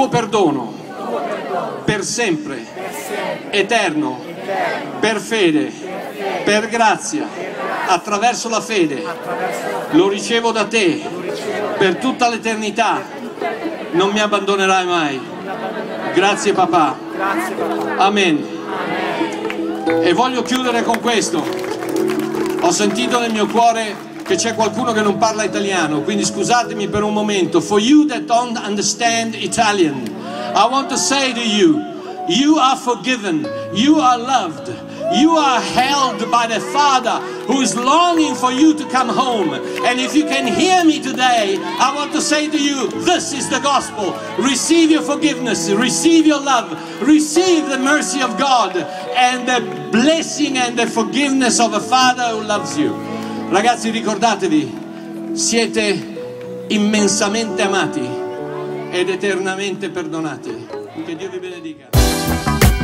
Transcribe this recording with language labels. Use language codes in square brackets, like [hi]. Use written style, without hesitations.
[it] sono, per sempre, eterno, per fede, per grazia, attraverso la fede, lo ricevo da te, per tutta l'eternità, non mi abbandonerai mai. Grazie papà. Amen. E voglio chiudere con questo. Ho sentito nel mio cuore che c'è qualcuno che non parla italiano, quindi scusatemi per un momento. [en] For you that don't understand Italian, I want to say to you, you are forgiven, you are loved, you are held by the Father who is longing for you to come home. And if you can hear me today, I want to say to you, this is the gospel. Receive your forgiveness, receive your love, receive the mercy of God and the blessing and the forgiveness of a Father who loves you. [it] Ragazzi, ricordatevi, siete immensamente amati ed eternamente perdonati. Che Dio vi benedica.